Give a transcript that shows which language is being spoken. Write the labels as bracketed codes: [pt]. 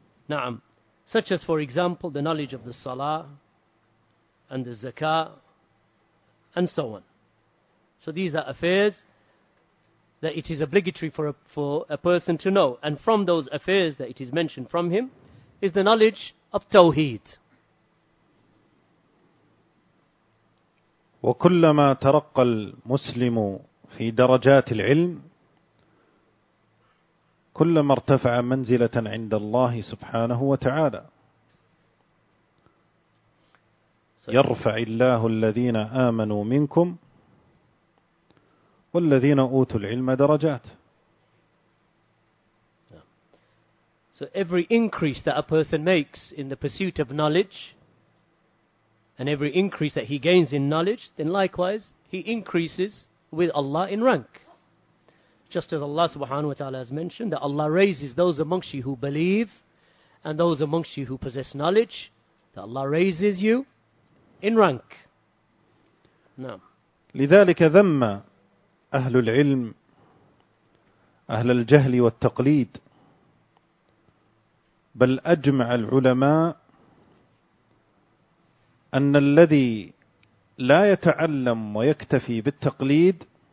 [ar] Na'am. [en] Such as, for example, the knowledge of the salah and the zakah and so on. So these are affairs that it is obligatory for a person to know. And from those affairs that it is mentioned from him is the knowledge of tawheed. [ar] وكلما ترقى المسلم في درجات العلم كلما ارتفع منزلة عند الله سبحانه وتعالى يرفع الله الذين آمنوا منكم والذين أوتوا العلم درجات. [en] So every increase that a person makes in the pursuit of knowledge and every increase that he gains in knowledge, then likewise he increases with Allah in rank. Just as Allah subhanahu wa ta'ala has mentioned that Allah raises those amongst you who believe and those amongst you who possess knowledge, that Allah raises you in rank. [ar] نعم. لذلك ذم أهل العلم أهل الجهل والتقليد بل أجمع العلماء أن الذي لا يتعلم ويكتفي بالتقليد